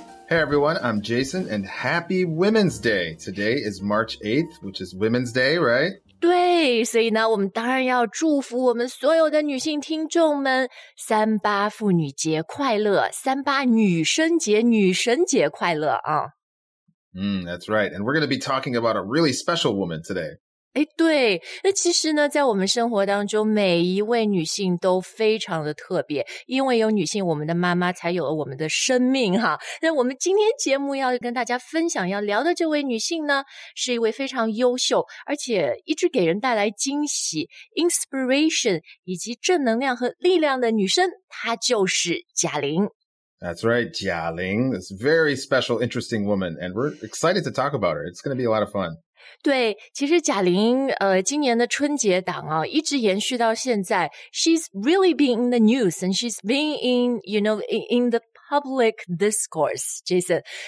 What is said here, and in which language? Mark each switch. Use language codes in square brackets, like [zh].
[en] Hey everyone, I'm Jason and happy Women's Day. Today is March 8th, which is Women's Day, right? [zh] 对，所以呢，我们当然要祝福我们所有的女性听众们三八妇女节快乐，三八女生节、女神节快乐啊。 [en] That's right. And we're going to be talking about a really special woman today. [zh] 哎，对，那其实呢，在我们生活当中，每一位女性都非常的特别，因为有女性，我们的妈妈才有了我们的生命哈。那我们今天节目要跟大家分享、要聊的这位女性呢，是一位非常优秀，而且一直给人带来惊喜、inspiration 以及正能量和力量的女生，她就是贾玲。 [en] That's right, Jia Ling, this very special, interesting woman, and we're excited to talk about her. It's going to be a lot of fun. [zh] 对，其实贾玲今年的春节档啊一直延续到现在。 [en] She's really been in the news and she's been in, you know, in the public discourse, Jason.